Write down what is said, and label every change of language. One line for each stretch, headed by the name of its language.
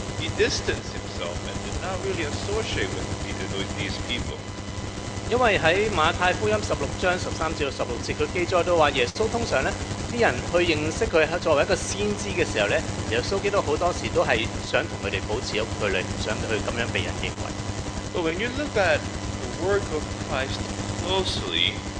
English: He distanced himself and did not really associate with these people.
Chinese: 因为在马太福音16:13-16，他记载到话耶稣通常呢，啲人去认识他作为一个先知的时候呢，耶稣基督很多时都是想跟他们保持一个距离，不想去这样被人认为。
English: But when you look at the work of Christ closely,